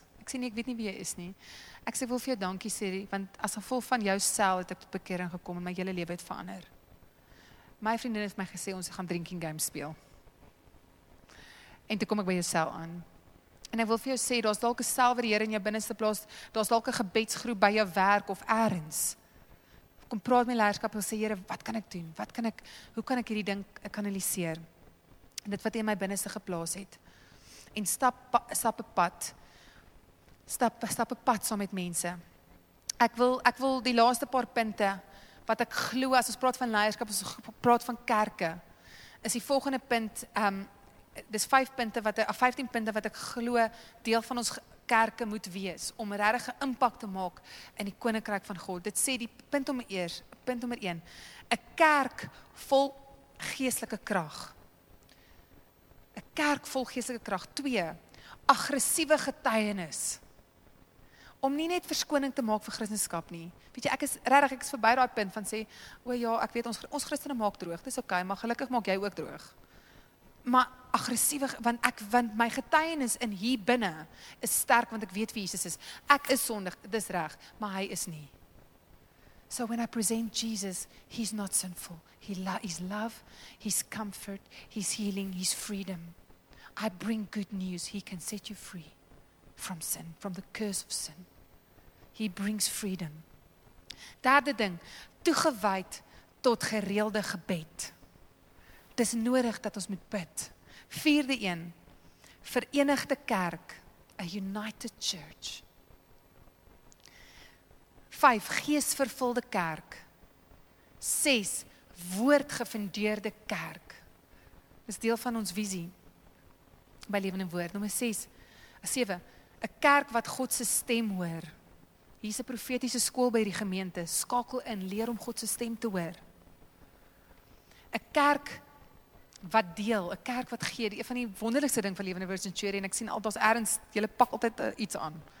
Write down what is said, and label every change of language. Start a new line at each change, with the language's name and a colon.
Afrikaans: Ek sê nie, ek weet nie wie jy is nie. Ek sê, ek wil vir jou dankie sê, want as gevolg van jou sel het ek tot bekering gekom en my hele lewe het verander. My vriendin het my gesê, ons gaan drinking game speel. En toe kom ek by jou sel aan. En ek wil vir jou sê, daar is dalk 'n sel wat die Here in jou binneste plaas, daar is dalk 'n gebedsgroep by jou werk of ergens. Kom praat met leierskap en sê, Here, wat kan ek doen? Wat kan ek, hoe kan ek hierdie ding kanaliseer? En dit wat in my binneste geplaas het. En stap een pad. Stap een pad saam met mense. Ek wil die laaste paar punte, wat ek glo, as ons praat van leierskap, as ons praat van kerke, is die volgende punt, dis 15 punte wat ek glo, deel van ons kerke moet wees, om regtig 'n impak te maak in die koninkryk van God. Dit sê die punt nommer 1, 'n kerk vol geestelike krag. 'N kerk vol geestelike krag. 2, aggressiewe getuienis. Om nie net verskoning te maak vir Christendom nie. Weet jy, ek is verby daai punt van sê, o ja, ek weet, ons Christene maak droog, dis ok, maar gelukkig maak jy ook droog. Maar aggressief, want my getuienis in hier binne is sterk, want ek weet wie Jesus is. Ek is sondig, dis reg, maar hy is nie.
English: So when I present Jesus, he's not sinful. He's love, he's comfort, he's healing, he's freedom. I bring good news, he can set you free. From sin, from the curse of sin. He brings freedom.
Afrikaans: Derde ding, toegewyd tot gereelde gebed. Het is nodig dat ons moet bid. Vierde een, verenigde kerk,
English: a united church.
Afrikaans: 5, geesvervulde kerk. 6, woordgefundeerde kerk. Dit is deel van ons visie, by Lewende Woord. Nommer 6, 7, 'n kerk wat God se stem hoor. Hier is 'n profetiese skool by die gemeente. Skakel in, leer om God se stem te hoor. 'N kerk wat deel, 'n kerk wat gee. Die een van die wonderlikste ding van Lewende Woord Centurion, en ek sien altyd, julle pak altyd iets aan.